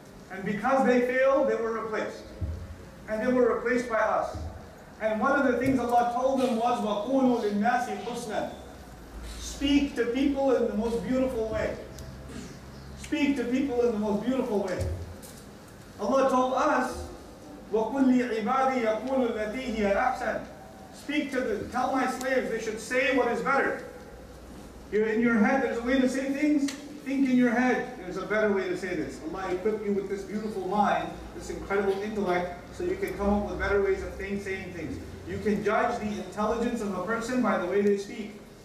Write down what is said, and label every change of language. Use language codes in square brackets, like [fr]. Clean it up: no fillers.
[en] And because they failed, they were replaced. And they were replaced by us. And one of the things Allah told them was, [ar] وَقُولُوا لِلنَّاسِ حُسْنًا. [en] Speak to people in the most beautiful way. Speak to people in the most beautiful way. Allah told us, [ar] وَقُلْ لِعِبَادِي يَقُولُ الَّتِي هِيَ أَحْسَنُ. [en] Speak to them, tell my slaves they should say what is better. You're in your head, there's a way to say things. Think in your head, there's a better way to say this. Allah equipped you with this beautiful mind, this incredible intellect, so you can come up with better ways of saying things. You can judge the intelligence of a person by the way they speak.